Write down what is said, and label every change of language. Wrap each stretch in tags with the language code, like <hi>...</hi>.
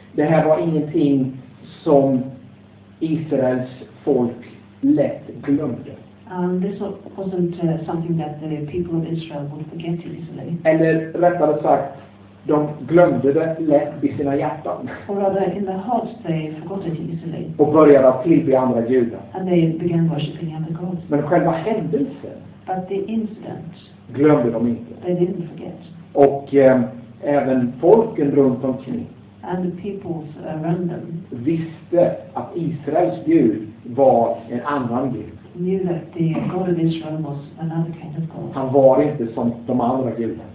<sv>Det här var ingenting som Israels folk lätt glömde.</sv> <en>This wasn't something that the people of Israel would forget easily.</en> <sv>Eller rättare sagt, de glömde det lätt i sina hjärtan.</sv> <en>Or rather, in their hearts they forgot it easily.</en> <sv>Och började att tillbe andra gudar.</sv> <en>And they began worshiping other gods.</en> <sv>Men själva händelsen.</sv> <en>But the incident.</en> <sv>Glömde de inte.</sv> <en>They didn't forget.</en> <sv>Och även folken runt omkring.</sv> <en>And the peoples around them.</en> <sv>Visste att Israels gud var en annan gud.</sv> <en>Knew that the God of Israel was another kind of God.</en> <sv>Han var inte som de andra gudarna.</sv>